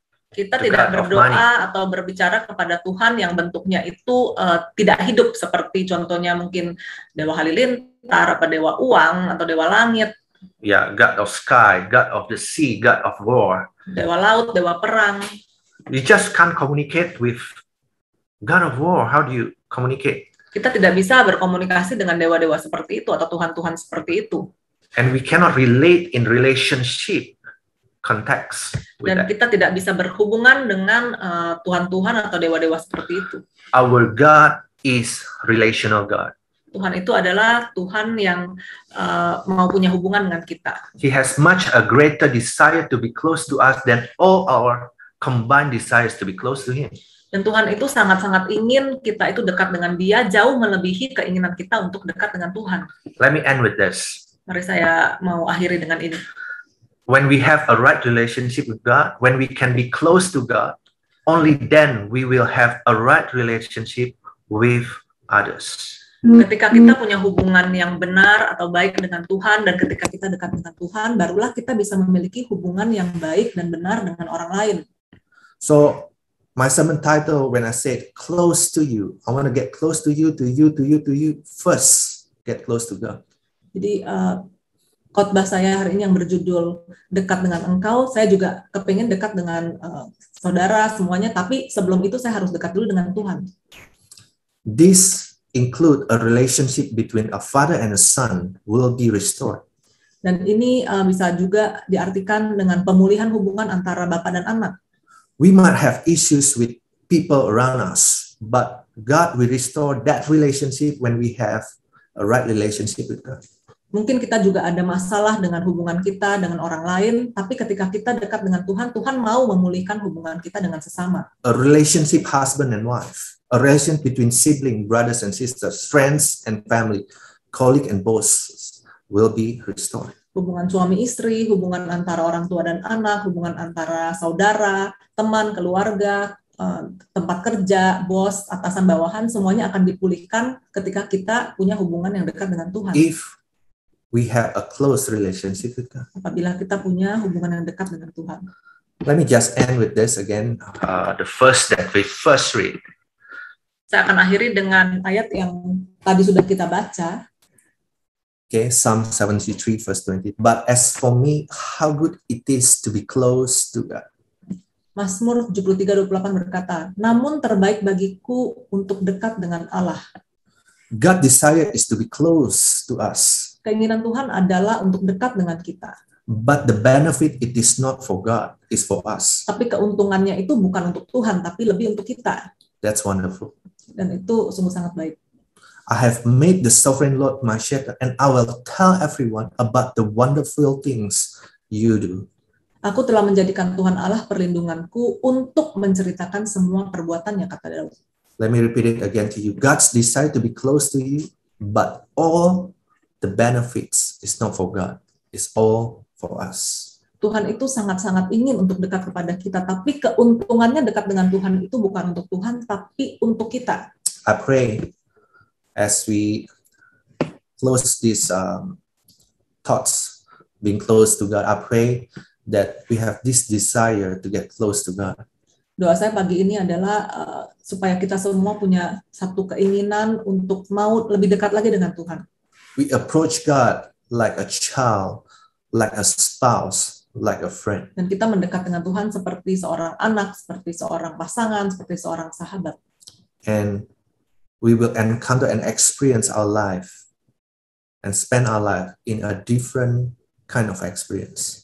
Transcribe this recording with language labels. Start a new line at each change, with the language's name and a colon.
Indonesian: Kita tidak berdoa atau berbicara kepada Tuhan yang bentuknya itu tidak hidup, seperti contohnya mungkin Dewa Halilintar, apa Dewa Uang, atau Dewa Langit.
English: Ya, yeah, God of sky, God of the sea, God of war.
Indonesian: Dewa laut, dewa perang.
English: You just can't communicate with God of war. How do you communicate?
Indonesian: Kita tidak bisa berkomunikasi dengan dewa-dewa seperti itu atau Tuhan-Tuhan seperti itu.
English: And we cannot relate in relationship context.
Indonesian: Dan kita tidak bisa berhubungan dengan Tuhan-Tuhan atau dewa-dewa seperti itu.
English: Our God is relational God.
Indonesian: Tuhan itu adalah Tuhan yang mau punya hubungan dengan kita.
English: He has much a greater desire to be close to us than all our combined desires to be close to Him.
Indonesian: Dan Tuhan itu sangat-sangat ingin kita itu dekat dengan Dia, jauh melebihi keinginan kita untuk dekat dengan Tuhan.
English: Let me end with this.
Indonesian: Mari saya mau akhiri dengan ini.
English: When we have a right relationship with God, when we can be close to God, only then we will have a right relationship with others.
Indonesian: Ketika kita punya hubungan yang benar atau baik dengan Tuhan, dan ketika kita dekat dengan Tuhan, barulah kita bisa memiliki hubungan yang baik dan benar dengan orang lain.
English: So, my sermon title, when I said close to you, I want to get close to you first, get close to God.
Indonesian: Jadi, khotbah saya hari ini yang berjudul dekat dengan engkau, saya juga kepengen dekat dengan saudara semuanya, tapi sebelum itu saya harus dekat dulu dengan Tuhan.
English: This include a relationship between a father and a son will be restored.
Indonesian: Dan ini bisa juga diartikan dengan pemulihan hubungan antara bapak dan anak.
English: We might have issues with people around us, but God will restore that relationship when we have a right relationship with God.
Indonesian: Mungkin kita juga ada masalah dengan hubungan kita dengan orang lain, tapi ketika kita dekat dengan Tuhan, Tuhan mau memulihkan hubungan kita dengan sesama.
English: A relationship husband and wife. A relationship between siblings, brothers and sisters, friends and family, colleagues and bosses will be restored.
Indonesian: Hubungan suami istri, hubungan antara orang tua dan anak, hubungan antara saudara, teman, keluarga, tempat kerja, bos, atasan, bawahan, semuanya akan dipulihkan ketika kita punya hubungan yang dekat dengan Tuhan.
English: If we have a close relationship with God.
Indonesian: Apabila kita punya hubungan yang dekat dengan Tuhan.
English: Let me just end with this again. The first that we first read.
Indonesian: Saya akan akhiri dengan ayat yang tadi sudah kita baca.
English: Okay, Psalm 73, verse 20. But as for me, how good it is to be close to God.
Indonesian: Mazmur 73:28 berkata, namun terbaik bagiku untuk dekat dengan Allah.
English: God desire is to be close to us.
Indonesian: Keinginan Tuhan adalah untuk dekat dengan kita.
English: But the benefit it is not for God, it's for us.
Indonesian: Tapi keuntungannya itu bukan untuk Tuhan, tapi lebih untuk kita.
English: That's wonderful.
Indonesian: Dan itu sungguh sangat baik.
English: I have made the sovereign Lord my shepherd, and I will tell everyone about the wonderful things you do.
Indonesian: Aku telah menjadikan Tuhan Allah perlindunganku untuk menceritakan semua perbuatannya, kata Daud.
English: Let me repeat it again to you. God's desire to be close to you, but all the benefits is not for God. It's all for us.
Indonesian: Tuhan itu sangat-sangat ingin untuk dekat kepada kita, tapi keuntungannya dekat dengan Tuhan itu bukan untuk Tuhan, tapi untuk kita.
English: I pray as we close these thoughts, being close to God, I pray that we have this desire to get close to God.
Indonesian: Doa saya pagi ini adalah supaya kita semua punya satu keinginan untuk mau lebih dekat lagi dengan Tuhan.
English: We approach God like a child, like a spouse, like a friend.
Indonesian: Dan kita mendekat dengan Tuhan seperti seorang anak, seperti seorang pasangan, seperti seorang sahabat.
English: And we will encounter and experience our life and spend our life in a different kind of experience.